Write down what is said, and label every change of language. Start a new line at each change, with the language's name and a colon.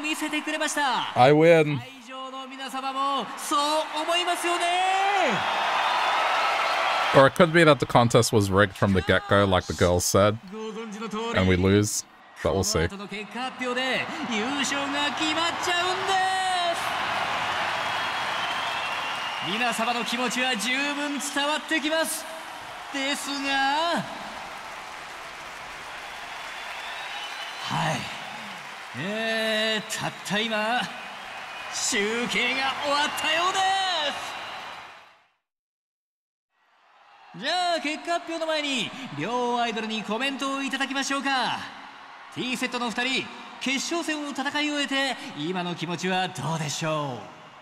Japanese: 2組とも素晴らしいパフォーマンスでしたね。正直感動を抑えきれません。どちらも文句のつけようがないライブを見せてくれました。
English: I win.
Japanese: 会場の皆様もそう思いますよね。
English: Or it could be that the contest was rigged from the get-go, like the girls said, and we lose, but we'll see.
Japanese: この後の結果発表で優勝が決まっちゃうんで。皆様の気持ちは十分伝わってきますですが、はい、たった今集計が終わったようです。じゃあ結果発表の前に両アイドルにコメントをいただきましょうか。Tセットの2人、決勝戦を戦い終えて今の気持ちはどうでしょう。